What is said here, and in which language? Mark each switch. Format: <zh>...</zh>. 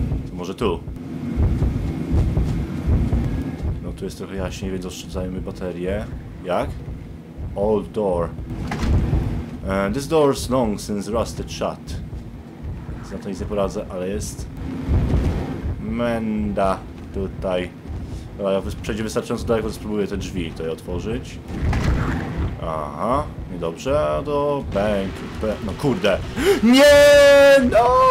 <pl>To może tu. Tu jest trochę jaśniej, więc oszczędzajmy baterię. Jak?</pl> <en>Old door. This door's long since rusted shut.</en> <pl>Na to nic nie poradzę, ale jest... Menda tutaj. Dobra, jak przejdzie wystarczająco daleko, to spróbuję te drzwi tutaj otworzyć. Aha, niedobrze. Do bank. No kurde! Nie! No!</pl>